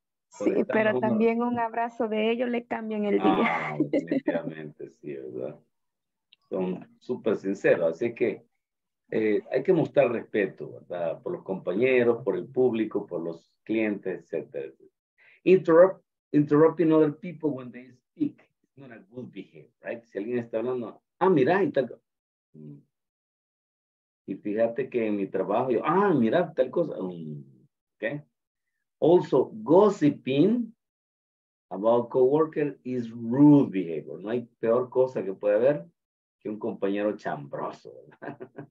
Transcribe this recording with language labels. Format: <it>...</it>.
<es>Sí, pero humor. También un abrazo de ellos le cambian el día. Definitivamente, sí, ¿verdad? Son súper sinceros, así que hay que mostrar respeto, ¿verdad? Por los compañeros, por el público, por los clientes, etc.</es> <en>Interrupting other people when they speak is not a good behavior, right?</en> <es>Si alguien está hablando, mira, y tal cosa. Y fíjate que en mi trabajo, yo, mira, tal cosa. ¿Qué?</es> <en>Also, gossiping about coworker is rude behavior.</en> <es>No hay peor cosa que puede haber que un compañero chambroso, ¿verdad?</es>